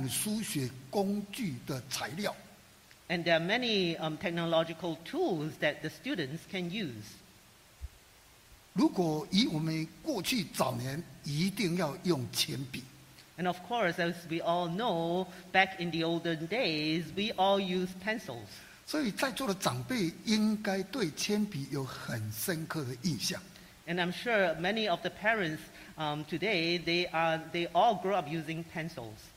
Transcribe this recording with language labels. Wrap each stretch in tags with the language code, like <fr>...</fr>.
<zh>所以有很多可以让你书写工具的材料。</zh> <en>And there are many technological tools that the students can use.</en> <zh>如果以我们过去早年一定要用铅笔。</zh> <en>And of course, as we all know, back in the olden days, we all used pencils.</en> <zh>所以在座的长辈应该对铅笔有很深刻的印象。</zh> <en>And I'm sure many of the parents today, they all grew up using pencils.</en>